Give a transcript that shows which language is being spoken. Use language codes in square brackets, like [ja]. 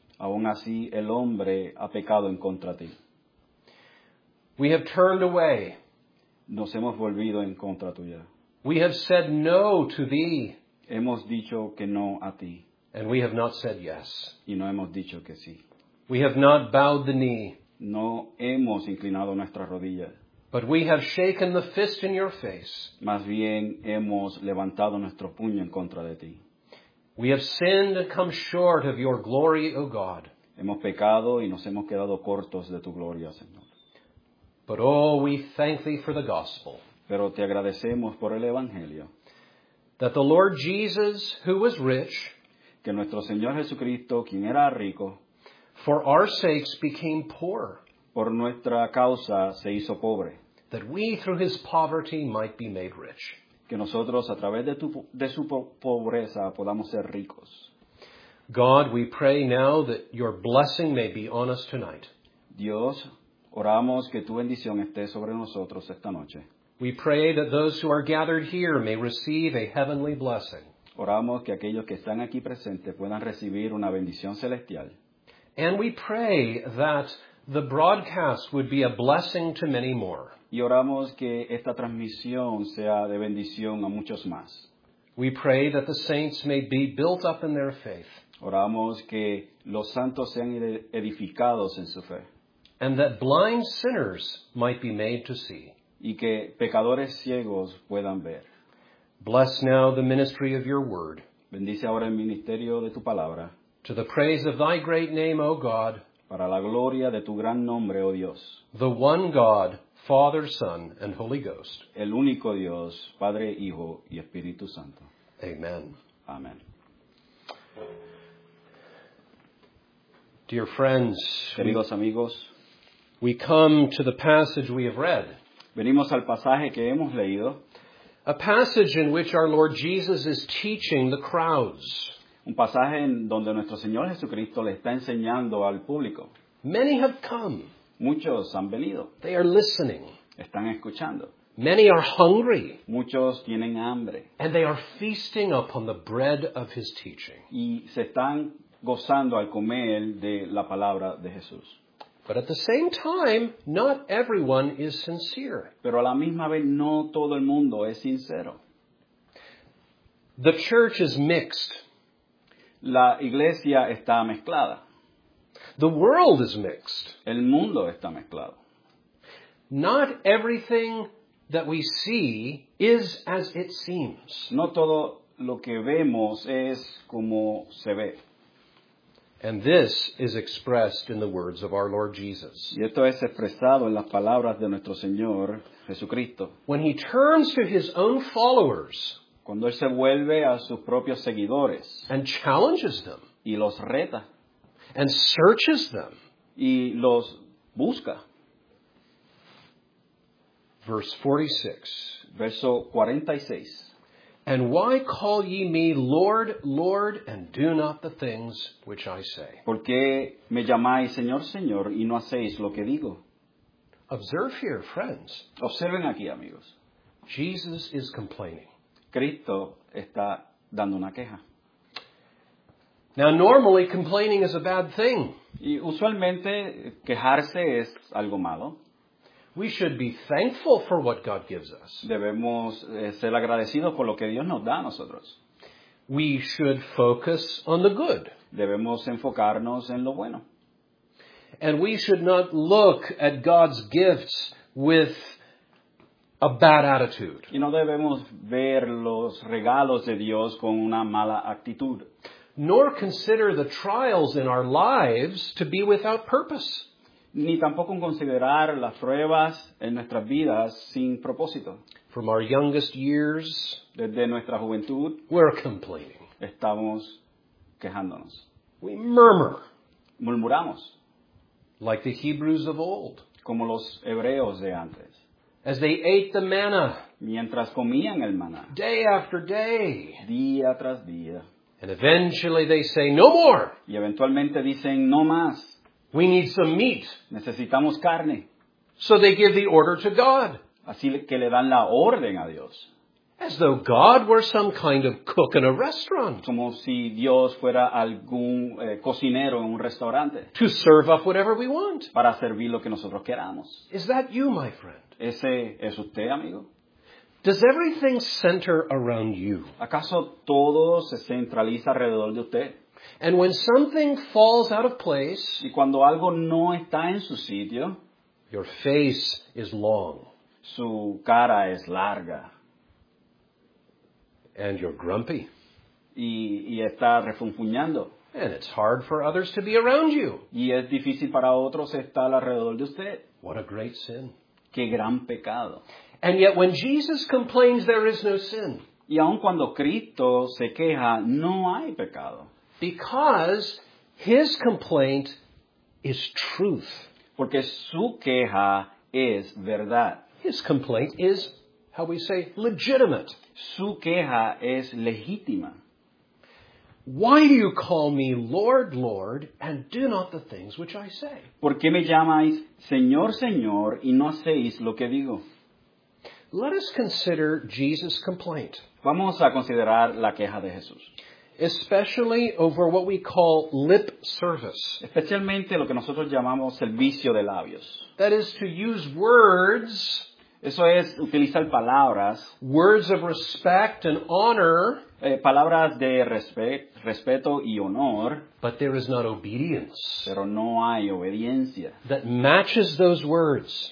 [es] Aun así, el hombre ha pecado en contra ti. [en] We have turned away. [es] Nos hemos volvido en contra tuya. [en] We have said no to thee. [es] Hemos dicho que no a ti. [en] And we have not said yes. [es] Y no hemos dicho que sí. [en] We have not bowed the knee. [es] No hemos inclinado nuestras rodillas. [en] But we have shaken the fist in your face. [es] Más bien, hemos levantado nuestro puño en contra de ti. [en] We have sinned and come short of your glory, O God. [es] Hemos pecado y nos hemos quedado cortos de tu gloria, Señor. [en] But oh, we thank thee for the gospel. [es] Pero te agradecemos por el evangelio. [en] That the Lord Jesus, who was rich, [es] que nuestro Señor Jesucristo, quien era rico, [en] for our sakes became poor. [es] Por nuestra causa se hizo pobre. [en] That we through his poverty might be made rich. [es] Que nosotros a través de su pobreza podamos ser ricos. [en] God, we pray now that your blessing may be on us tonight. [es] Dios, oramos que tu bendición esté sobre nosotros esta noche. [en] We pray that those who are gathered here may receive a heavenly blessing. [es] Oramos que aquellos que están aquí presentes puedan recibir una bendición celestial. [en] And we pray that the broadcast would be a blessing to many more. [es] Y oramos que esta transmisión sea de bendición a muchos más. [en] We pray that the saints may be built up in their faith. [es] Oramos que los santos sean edificados en su fe. [en] And that blind sinners might be made to see. [es] Y que pecadores ciegos puedan ver. [en] Bless now the ministry of your word. [es] Bendice ahora el ministerio de tu palabra. [en] To the praise of thy great name, O God. [es] Para la gloria de tu gran nombre, oh Dios. [en] The one God, Father, Son, and Holy Ghost. [es] El único Dios, Padre, Hijo, y Espíritu Santo. [en] Amen. [es] Amen. [en] Dear friends, [es] queridos amigos, [en] we come to the passage we have read. [es] Venimos al pasaje que hemos leído. [en] A passage in which our Lord Jesus is teaching the crowds. [es] Un pasaje en donde nuestro Señor Jesucristo le está enseñando al público. [en] Many have come. [es] Muchos han venido. [en] They are listening. [es] Están escuchando. [en] Many are hungry. [es] Muchos tienen hambre. [en] And they are feasting upon the bread of his teaching. [es] Y se están gozando al comer de la palabra de Jesús. [en] But at the same time, not everyone is sincere. [es] Pero a la misma vez, no todo el mundo es sincero. [en] The church is mixed. [es] La iglesia está mezclada. [en] The world is mixed. [es] El mundo está mezclado. [en] Not everything that we see is as it seems. [es] No todo lo que vemos es como se ve. [en] And this is expressed in the words of our Lord Jesus. [es] Y esto es expresado en las palabras de nuestro Señor Jesucristo. [en] When he turns to his own followers, [es] cuando él se vuelve a sus propios seguidores, [en] and challenges them, [es] y los reta, [en] and searches them, [es] y los busca. [en] Verse 46. [es] Verso 46. [en] And why call ye me Lord, Lord, and do not the things which I say? [es] ¿Por qué me llamáis Señor, Señor, y no hacéis lo que digo? [en] Observe here, friends. [es] Observen aquí, amigos. [en] Jesus is complaining. [es] Cristo está dando una queja. [en] Now, normally, complaining is a bad thing. [es] Y usualmente, quejarse es algo malo. [en] We should be thankful for what God gives us. [es] Debemos ser agradecidos por lo que Dios nos da a nosotros. [en] We should focus on the good. [es] Debemos enfocarnos en lo bueno. [en] And we should not look at God's gifts with a bad attitude. [es] Y no debemos ver los regalos de Dios con una mala actitud. [en] Nor consider the trials in our lives to be without purpose. [es] Ni tampoco considerar las pruebas en nuestras vidas sin propósito. [en] From our youngest years, [es] desde nuestra juventud, [en] we're complaining. [es] Estamos quejándonos. [en] We murmur. [es] Murmuramos. [en] Like the Hebrews of old. [es] Como los hebreos de antes. [en] As they ate the manna. [es] Mientras comían el maná. [en] Day after day. [es] Día tras día. [en] And eventually they say, no more. [es] Y eventualmente dicen, no más. [en] We need some meat. [es] Necesitamos carne. [en] So they give the order to God. [es] Así que le dan la orden a Dios. [en] As though God were some kind of cook in a restaurant. [es] Como si Dios fuera algún cocinero en un restaurante. [en] To serve up whatever we want. [es] Para servir lo que nosotros queramos. [en] Is that you, my friend? [es] ¿Ese es usted, amigo? [en] Does everything center around you? [es] ¿Acaso todo se centraliza alrededor de usted? [en] And when something falls out of place, [es] y cuando algo no está en su sitio, [en] your face is long. [es] Su cara es larga. [en] And you're grumpy. [es] Y está refunfuñando. [en] And it's hard for others to be around you. [es] Y es difícil para otros estar alrededor de usted. [en] What a great sin. [es] Qué gran pecado. [en] And yet when Jesus complains, there is no sin. [es] Y aun cuando Cristo se queja, no hay pecado. [en] Because his complaint is truth. [es] Porque su queja es verdad. [en] His complaint is, how we say, legitimate. [es] Su queja es legítima. [en] Why do you call me Lord, Lord, and do not the things which I say? [es] ¿Por qué me llamáis Señor, Señor, y no hacéis lo que digo? [en] Let us consider Jesus' complaint. [es] Vamos a considerar la queja de Jesús. [en] Especially over what we call lip service. [es] Especialmente lo que nosotros llamamos servicio de labios. [en] That is to use words. [es] Eso es utilizar palabras. [en] Words of respect and honor. [es] Palabras de respeto y honor. [en] But there is not obedience. [es] Pero no hay obediencia. [en] That matches those words.